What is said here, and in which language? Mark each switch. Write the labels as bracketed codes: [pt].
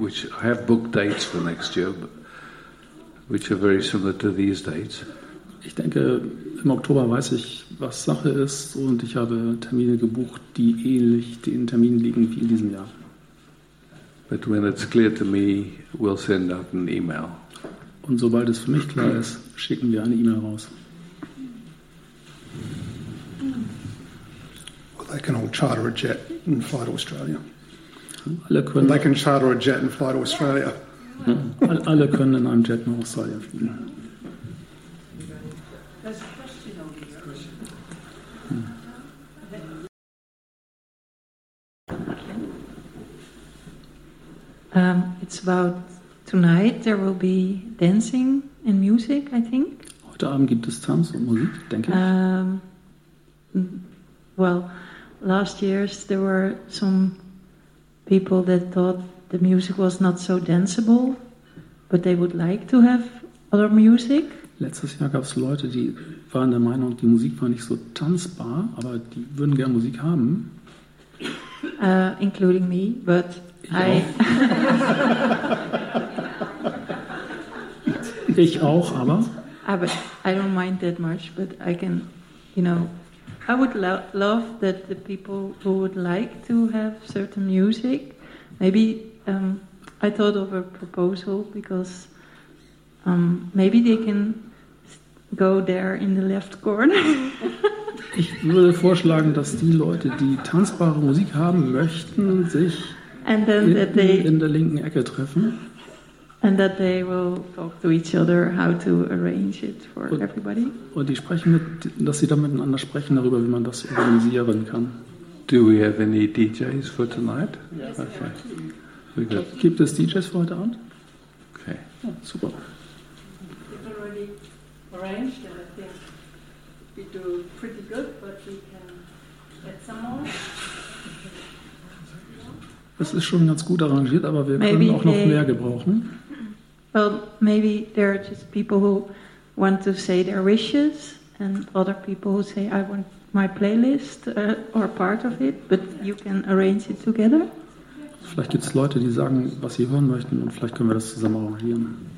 [en] Which I have booked dates for next year, which are very similar to these dates. [de] Ich denke, im Oktober weiß ich, was Sache ist, und ich habe Termine gebucht, die ähnlich den Terminen liegen wie in diesem Jahr. [en] But when it's clear to me, we'll send out an email. [de] Und sobald es für mich klar ist, schicken wir eine E-Mail raus. [en] Well, they can all charter a jet and fly to Australia. [de] Alle können. [en] They can charter a jet and fly to Australia. [de] Alle können in einem Jet nach Australien fliegen. [en] It's about tonight there will be dancing and music, I think. [de] Heute Abend gibt es Tanz und Musik, denke ich. [en] Well, last year's there were some people that thought the music was not so danceable, but they would like to have other music. [de] Letztes Jahr gab es Leute, die waren der Meinung, die Musik war nicht so tanzbar, aber die würden gerne Musik haben. [en] Including me, but [de] ich auch. Ich auch, aber. [en] Ah, but I don't mind that much, but I can, you know, I would love that the people who would like to have certain music, maybe I thought of a proposal because maybe they can go there in the left corner. [de] Ich würde vorschlagen, dass die Leute, die tanzbare Musik haben möchten, sich in der linken Ecke treffen. [en] And that they will talk to each other how to arrange it for everybody. [de] Und die sprechen mit, dass sie dann miteinander sprechen darüber, wie man das organisieren kann. [en] Do we have any DJs for tonight? Yes. Okay. Good. [de] Gibt es DJs für heute Abend? [en] Okay. [de] Ja, super. [en] We've already arranged and I think we do pretty good, but we can get some more. [de] Es ist schon ganz gut arrangiert, aber wir können auch noch mehr gebrauchen. [en] Well, maybe there are just people who want to say their wishes and other people who say I want my playlist or part of it, but you can arrange it together. [de] Vielleicht gibt es Leute, die sagen, was sie hören möchten und vielleicht können wir das zusammen arrangieren.